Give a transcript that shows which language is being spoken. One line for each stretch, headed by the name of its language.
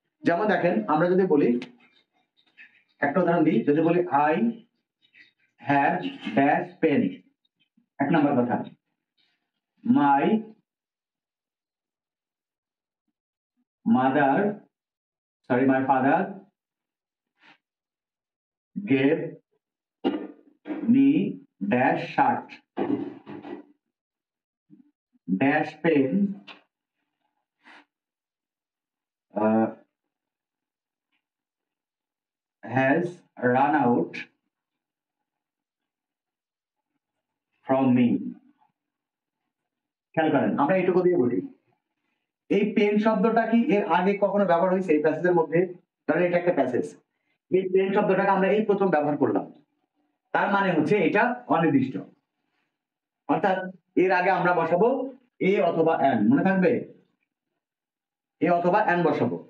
Bangla: যেমন দেখেন আমরা যদি বলি, একটা উদাহরণ দিই, যদি বলি
English: I have dash pen, এক নম্বর কথা, my mother sorry my father gave me dash shirt, dash pen, has run out from me.
Bangla: খেয়াল করেন আমরা এইটুকু দিয়ে বলি, এই পেন শব্দটা কি এর আগে কখনো ব্যবহার হয়েছে এই প্যাসেজের মধ্যে? ধরেন এটা একটা প্যাসেজ, এই পেন শব্দটাকে আমরা এই প্রথম ব্যবহার করলাম, তার মানে হচ্ছে এটা অনির্দিষ্ট, অর্থাৎ এর আগে আমরা বসাবো এ অথবা এন, মনে থাকবে এ অথবা এন বসাবো।